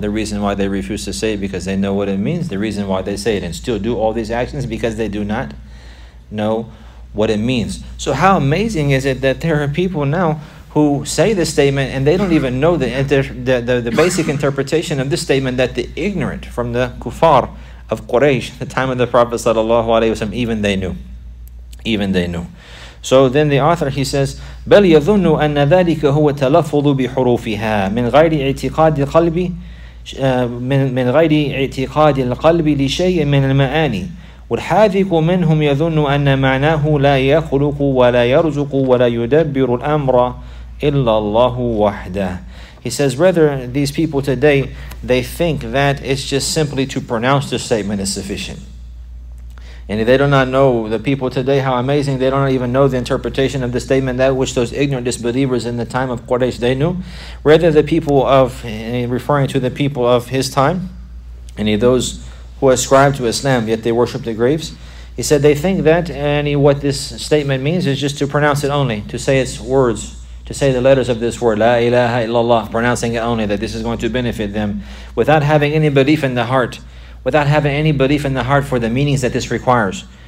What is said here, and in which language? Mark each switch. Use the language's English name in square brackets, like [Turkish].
[English] The reason why they refuse to say it, because they know what it means. The reason why they say it and still do all these actions, because they do not know what it means. So how amazing is it that there are people now who say this statement and they don't even know the basic interpretation of this statement, that the ignorant from the kuffar of Quraysh, the time of the Prophet sallallahu alaihi wasallam, even they knew. Even they knew. [Arabic] So then the author, he says, بَلْ يَظُنُّ أَنَّ ذَلِكَ هُوَ تَلَفُّضُ بِحُرُوفِهَا مِنْ غَيْرِ اِعْتِقَادِ الْقَلْبِ مِنْ غَيْرِ اِعْتِقَادِ الْقَلْبِ لِشَيْءٍ مِنَ الْمَعَانِي وَالْحَافِقُ مِنْهُمْ يَظُنُّ أَنَّ مَعْنَاهُ لَا يَخْلُقُ وَلَا يَرْزُقُ وَلَا يُدَبِّرُ الْأَمْرَ إِلَّا اللَّهُ وَحْدَهُ. [English] He says, rather, these people today, they think that it's just simply to pronounce the statement is sufficient. And they do not know, the people today, how amazing, they don't even know the interpretation of the statement, that which those ignorant disbelievers in the time of Quraysh, they knew. Rather, the people of, referring to the people of his time, any of those who ascribe to Islam, yet they worship the graves, he said, they think that any what this statement means is just to pronounce it only, to say its words, to say the letters of this word, La ilaha illallah, pronouncing it only, that this is going to benefit them, without having any belief in the heart, without having any belief in the heart for the meanings that this requires.